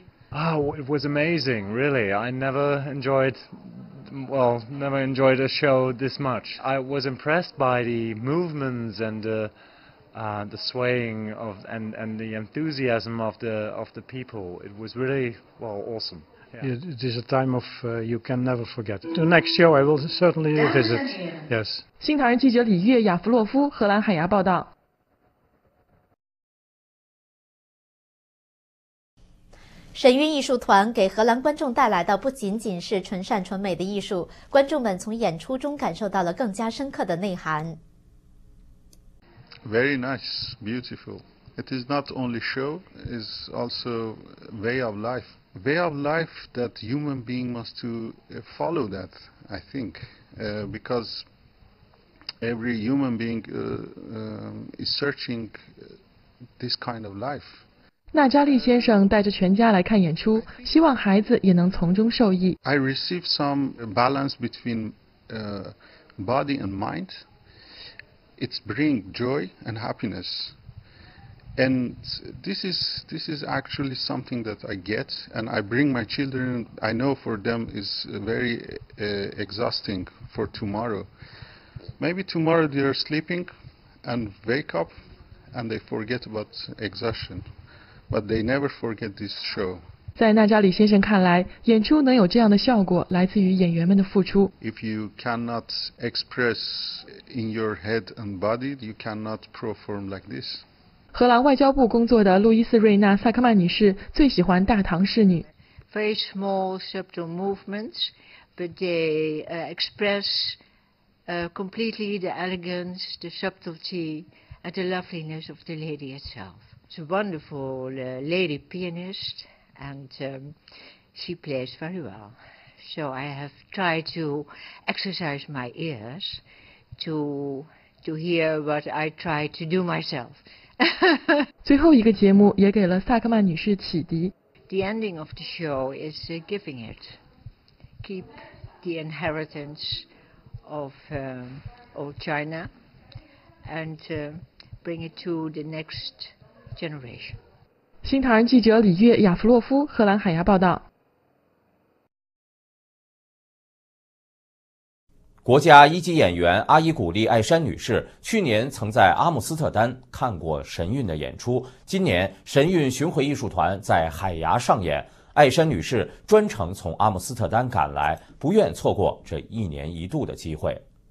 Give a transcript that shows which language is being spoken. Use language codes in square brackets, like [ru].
[en] Oh, it was amazing, really. I never enjoyed a show this much. I was impressed by the movements and the swaying of and the enthusiasm of the people. It was really, well, awesome. Yeah. It is a time of you can never forget. The next show I will certainly visit. Yes. [zh] 新唐人记者李月雅弗洛夫，荷兰海牙报道。神韵艺术团给荷兰观众带来的不仅仅是纯善纯美的艺术，观众们从演出中感受到了更加深刻的内涵。 [en] Very nice, beautiful. It is not only show, it's also way of life. Way of life that human being must to follow that, I think. Because every human being is searching this kind of life. [zh] 纳加利先生带着全家来看演出，希望孩子也能从中受益。 [en] I received some balance between body and mind. It brings joy and happiness. And this is actually something that I get, and I bring my children. I know for them is very exhausting for tomorrow. Maybe tomorrow they are sleeping and wake up and they forget about exhaustion. But they never forget this show. [zh] 在纳扎里先生看来，演出能有这样的效果，来自于演员们的付出。 [en] If you cannot express in your head and body, you cannot perform like this. [zh] 荷兰外交部工作的路易斯·瑞纳·萨克曼女士最喜欢大唐侍女。 [en] Very small, subtle movements, but they express completely the elegance, the subtlety, and the loveliness of the lady herself. It's a wonderful lady pianist, and she plays very well. So I have tried to exercise my ears to hear what I try to do myself. [zh] 最后一个节目也给了萨克曼女士启迪。 [en] The ending of the show is giving it. Keep the inheritance of old China and bring it to the next... Generation. [zh] 新唐人记者李月雅弗洛夫，荷兰海牙报道。国家一级演员阿伊古丽艾珊女士去年曾在阿姆斯特丹看过神韵的演出，今年神韵巡回艺术团在海牙上演，艾珊女士专程从阿姆斯特丹赶来，不愿错过这一年一度的机会。